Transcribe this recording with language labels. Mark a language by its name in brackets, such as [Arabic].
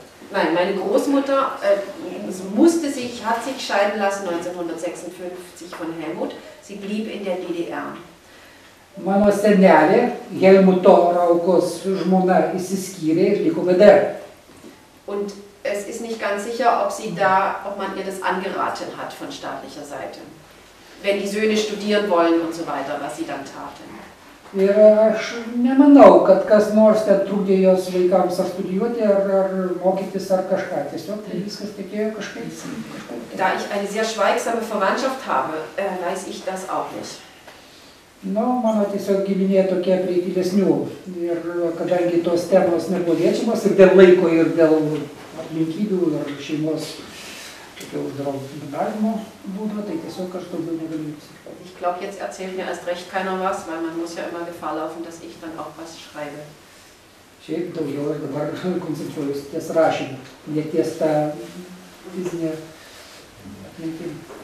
[German] Meine Großmutter musste sich, hat sich scheiden lassen 1956 von Helmut. Sie blieb in der DDR. [Lithuanian] Mano senelė, Helmuto Raukos žmona, išsiskyrė ir liko VDR. [German] Und es ist nicht ganz sicher, ob sie da, ob man ihr das angeraten hat von staatlicher Seite. Wenn die Söhne studieren wollen und so weiter, was sie dann taten. [Lithuanian] Ir aš nemanau, kad kas nors ten trukdė jos vaikams ar studijuoti, ar mokytis, ar kažką. Tiesiog tai viskas tekėjo kažkaip. [German] Da ich eine sehr schweigsame Verwandtschaft habe, weiß ich das auch nicht. [Lithuanian] Nu, mano tiesiog giminė tokie prieitilesnių ir kadangi tos temos nebuvo liečiamos ir dėl laiko, ir dėl aplinkybių, ar šeimos uždraudimo būdo, tai tiesiog aš daugiau negaliu pasakyti. [German] Ich glaube, jetzt erzählt mir erst recht keiner was, weil man muss ja immer Gefahr laufen, dass ich dann auch was schreibe. [Lithuanian] Šiaip daugiau ir dabar koncentruojuosi ties rašymu, ne ties tą fizinę aplinkybę.